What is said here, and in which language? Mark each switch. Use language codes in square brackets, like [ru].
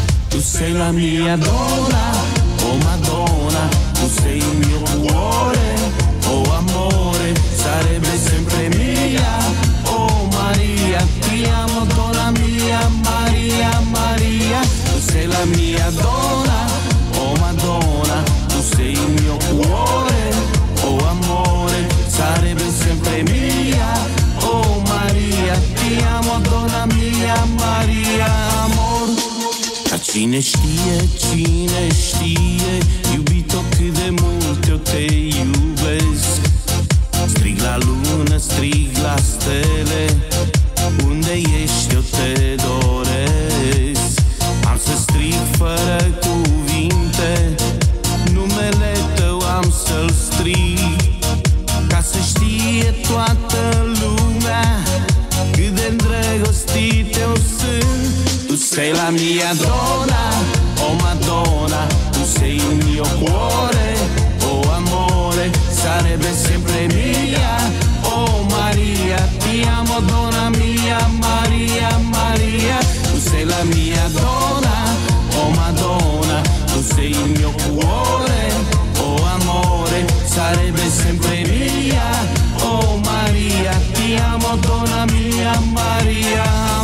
[it] Tu sei la mia donna, oh Madonna, tu sei il mio cuore, oh amore, sarebbe sempre mia, oh Maria, ti amo donna mia, Maria, Maria, tu sei la mia donna, oh Madonna, tu sei il mio cuore, oh amore, sarebbe sempre mia, oh Maria, ti amo donna mia, Maria, amor. [ro] Cine știe, cine știe, iubito cât de mult eu te iubesc. Strig la lună, strig la stele, unde ești eu te doresc. Am să strig fără cuvinte, numele tău am să-l strig, ca să știe toată lumea cât de îndrăgostit eu sunt. [it] Tu sei la mia donna, oh Madonna, tu sei il mio cuore, oh amore, sarebbe sempre mia, oh Maria, ti amo donna mia, Maria, Maria. Tu sei la mia donna, oh Madonna, tu sei il mio cuore, oh amore, sarebbe sempre mia, oh Maria, ti amo donna mia, Maria.